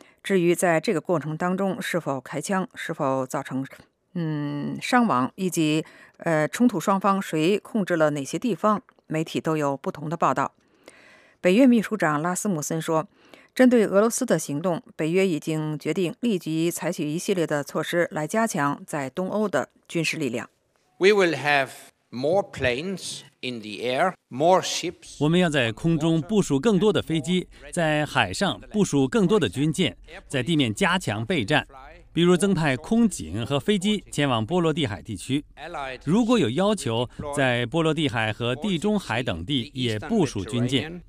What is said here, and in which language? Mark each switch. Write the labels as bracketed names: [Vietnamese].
[Chinese] 至于在这个过程当中是否开枪，是否造成伤亡，以及冲突双方谁控制了哪些地方，媒体都有不同的报道。北约秘书长拉斯姆森说，针对俄罗斯的行动，北约已经决定立即采取一系列的措施来加强在东欧的军事力量。 [English] We will have more planes in the air, more ships. [Chinese] 我们要在空中部署更多的飞机，在海上部署更多的军舰，在地面加强备战，比如增派空警和飞机前往波罗的海地区。如果有要求，在波罗的海和地中海等地也部署军舰。